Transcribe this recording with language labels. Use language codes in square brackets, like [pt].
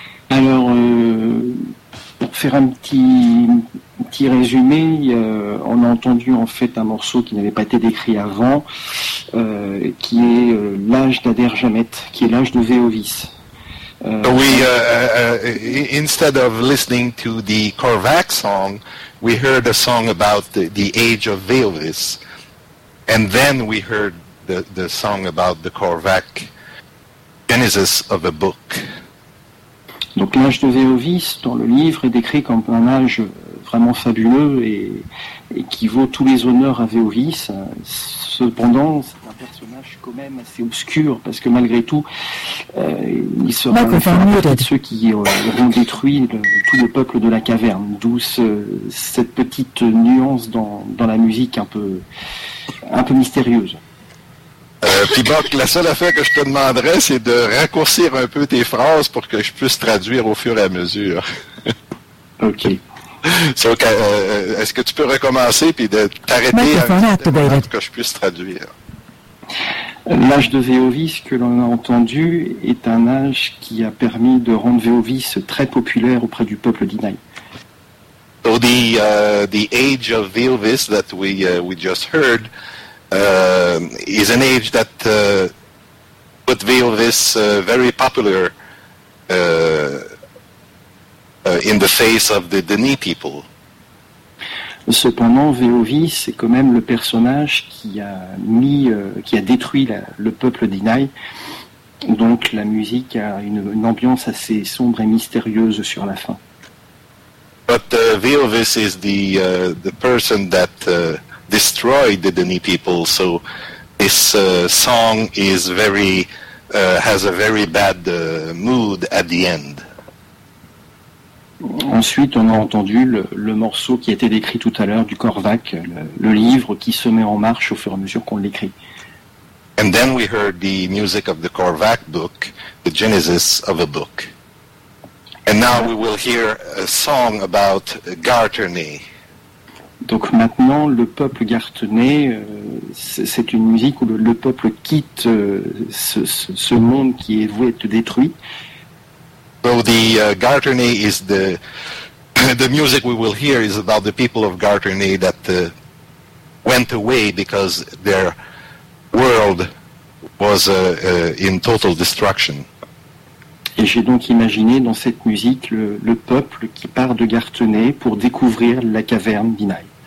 [fr] Alors, pour faire un petit résumé, on a entendu en fait un morceau qui n'avait pas été décrit avant, qui est l'âge d'Ader Jamet, qui est l'âge de Veovis. [en] Instead of listening to the Korvac song, we heard a song about the age of Veovis, and then we heard the song about the Korvac genesis of a book. [fr] Donc l'âge de Veovis dans le livre est décrit comme un âge vraiment fabuleux et qui vaut tous les honneurs à Veovis. Cependant, c'est un personnage quand même assez obscur parce que malgré tout, il sera ceux qui auront détruit tout le peuple de la caverne. D'où cette petite nuance dans la musique un peu mystérieuse. Pibok, la seule affaire que je te demanderais, c'est de raccourcir un peu tes phrases pour que je puisse traduire au fur et à mesure. [en] OK. [fr] So, est-ce que tu peux recommencer puis de t'arrêter pour que je puisse traduire? L'âge de Veovis que l'on a entendu est un âge qui a permis de rendre Veovis très populaire auprès du peuple d'Inai. [en] So the age of Veovis that we just heard is an age that put Veovis very popular in the face of the Dene people. [fr] Cependant, Veovis est quand même le personnage qui a détruit le peuple d'Inai. Donc la musique a une ambiance assez sombre et mystérieuse sur la fin. [en] But Veovis is the person that destroyed the Dene people, so this song is very has a very bad mood at the end. [fr] Ensuite, on a entendu le morceau qui a été décrit tout à l'heure du Korvac, le livre qui se met en marche au fur et à mesure qu'on l'écrit. [en] And then we heard the music of the Korvac book, the genesis of a book. And now we will hear a song about Garth Turney. [fr] Donc maintenant, le peuple Garth Turney, c'est une musique où le peuple quitte ce monde qui est voué à être détruit. [en] So the Garth Turney is the music we will hear is about the people of Garth Turney that went away because their world was in total destruction. [fr] Et j'ai donc imaginé dans cette musique le peuple qui part de Garth Turney pour découvrir la caverne d'Inai.